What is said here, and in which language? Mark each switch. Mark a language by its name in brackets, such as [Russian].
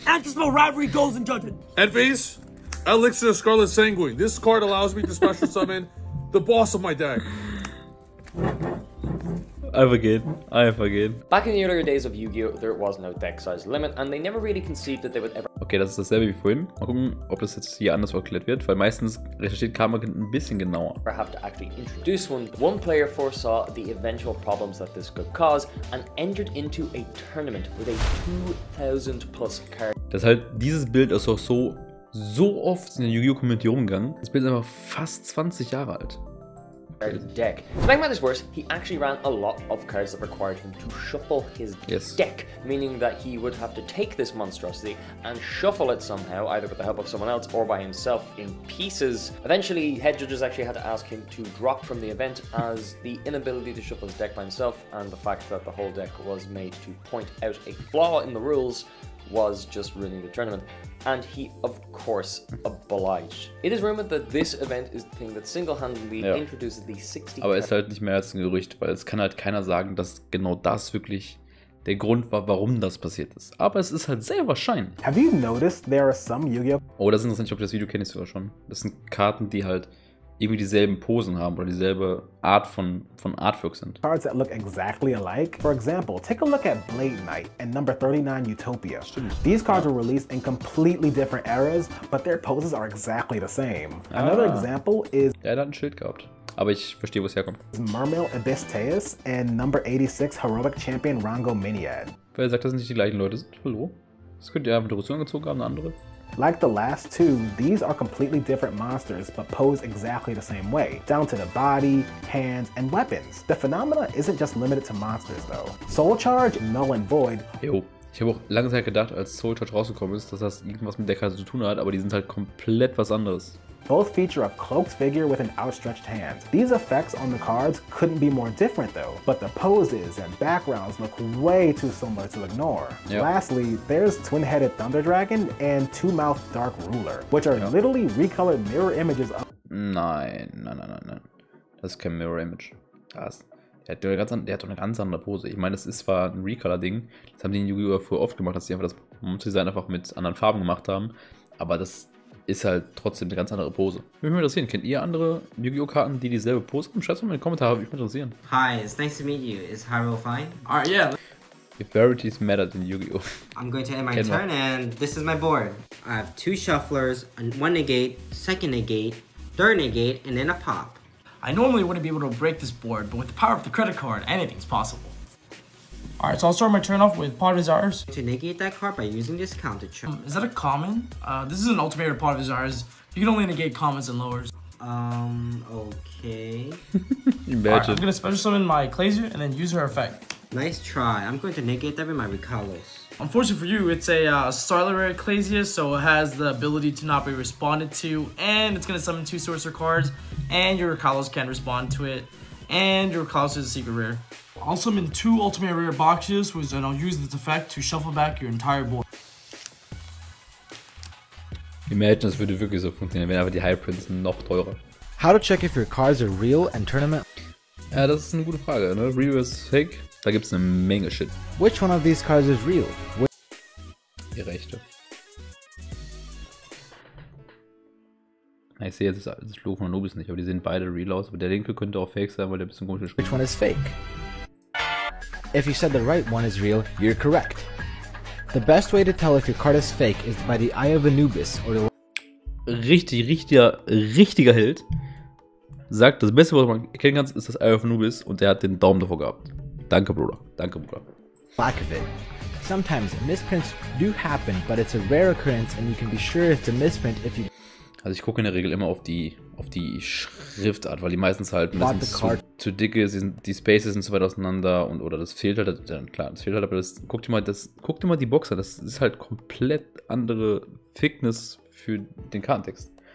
[English] Anti-spell Rivalry, goes in judgment. End phase, Elixir of Scarlet Sanguine. This card allows me to special summon the boss of my deck. I forget. Back in the earlier days of Yu-Gi-Oh! There was no deck size limit and they never really conceived that they would ever. [German] Okay, das ist dasselbe wie vorhin. Mal gucken, ob das jetzt hier anders erklärt wird, weil meistens recherchiert Karmagen ein bisschen genauer. [English] I have to actually introduce one. One player foresaw the eventual problems that this could cause and entered into a tournament with a 2000 plus card. [German] Das halt, dieses Bild ist auch so oft in der Yu-Gi-Oh! Community rumgegangen. Das Bild ist einfach fast 20 Jahre alt. [English] Deck. To make matters worse, he actually ran a lot of cards that required him to shuffle his deck, meaning that he would have to take this monstrosity and shuffle it somehow, either with the help of someone else or by himself in pieces. Eventually, head judges actually had to ask him to drop from the event as the inability to shuffle his deck by himself and the fact that the whole deck was made to point out a flaw in the rules was just ruining the tournament. And he, of course, obliged. It is rumored that this event is the thing that single-handedly introduces the 60. [German] Aber es ist halt nicht mehr als ein Gerücht, weil es kann halt keiner sagen, dass genau das wirklich der Grund war, warum das passiert ist. Aber es ist halt sehr wahrscheinlich. [English] Have you noticed there are some Yu-Gi-Oh? [German] Oh, das ist interessant, ob du das Video kennst oder schon. Das sind Karten, die halt irgendwie dieselben Posen haben oder dieselbe Art von Artwork sind. [English] Cards that look exactly alike. For example, take a look at Blade Knight and number 39 Utopia. [German] Stimmt. [English] These cards were released in completely different eras, but their poses are exactly the same. Ah. Another example is... [German] Ja, er hat ein Schild gehabt. Aber ich verstehe, wo es herkommt. [English] Mermail Abyss Teus and number 86 Heroic Champion Rango Minyad. [German] Wer sagt, das sind nicht die gleichen Leute? Hallo? Das könnte ja mit der Rüstung gezogen haben, eine andere. [English] Like the last two, these are completely different monsters, but pose exactly the same way. Down to the body, hands, and weapons. The phenomena isn't just limited to monsters, though. Soul Charge, Null and Void. [German] Jo, ich habe auch lange Zeit gedacht, als Soul Charge rausgekommen ist, dass das irgendwas mit der Karte zu tun hat, aber die sind halt komplett was anderes. [English] Both feature a cloaked figure with an outstretched hand. These effects on the cards couldn't be more different though, but the poses and backgrounds look way too similar to ignore. Yep. Lastly, there's Twin-Headed Thunder Dragon and Two-Mouthed Dark Ruler, which are literally recolored mirror images of- [German] Nein. Das ist kein Mirror Image. Der hat doch eine ganz andere Pose. Ich meine, das ist zwar ein Recolor-Ding, das haben die in Yu-Gi-Oh! Früher oft gemacht, dass sie einfach das Monster-Design einfach mit anderen Farben gemacht haben, aber das ist halt trotzdem eine ganz andere Pose. Würde mich interessieren, kennt ihr andere Yu-Gi-Oh! Karten, die dieselbe Pose haben? Schreibt es mal in die Kommentare, würde mich interessieren. [English] Hi, it's nice to meet you. Is Hyrule fine? Alright, yeah. If verities mattered in Yu-Gi-Oh! I'm going to end my turn and this is my board. I have two shufflers, one negate, second negate, third negate, and then a pop. I normally wouldn't be able to break this board, but with the power of the credit card, anything's possible. Alright, so I'll start my turn off with Pot of Desires. To negate that card by using this counter trick. Is that a common? This is an ultimate Pot of Desires. You can only negate commons and lowers. Okay. Imagine. Alright, I'm gonna special summon my Clazier and then use her effect. Nice try. I'm going to negate that with my Recalos. Unfortunately for you, it's a Starlight Rare Clazier, so it has the ability to not be responded to, and it's gonna summon two sorcerer cards, and your Recalos can respond to it, and your Recalos is a secret rare. I'll summon two ultimate rare boxes, which then I'll use this effect to shuffle back your entire board. [German] Imagine, das würde wirklich so funktionieren, wenn aber die High Prints noch teurer. [English] How to check if your cards are real and tournament? [German] Ja, das ist eine gute Frage, ne? [English] Real vs. Fake? [German] Da gibt's eine Menge Shit. [English] Which one of these cards is real? [German] Die rechte. Ich sehe jetzt das Logo von Anubis nicht, aber die sehen beide real aus. Aber der linke könnte auch fake sein, weil der ein bisschen komisch ist. [English] Which one is fake? If you said the right one is real, you're correct. The best way to tell if your card is fake is by the Eye of Anubis or the... [German] Richtiger Held sagt, das Beste, was man erkennen kann, ist das Eye of Anubis und der hat den Daumen davor gehabt. Danke, Bruder. [English] Lack of it. Sometimes misprints do happen, but it's a rare occurrence and you can be sure it's a misprint if you... [German] Also ich gucke in der Regel immer auf die Schriftart, weil die meistens halt zu dick ist, die Spaces sind zu weit auseinander und oder das fehlt halt, dann klar, das fehlt halt, aber guck dir mal die Box an, das ist halt komplett andere Thickness für den Kartentext.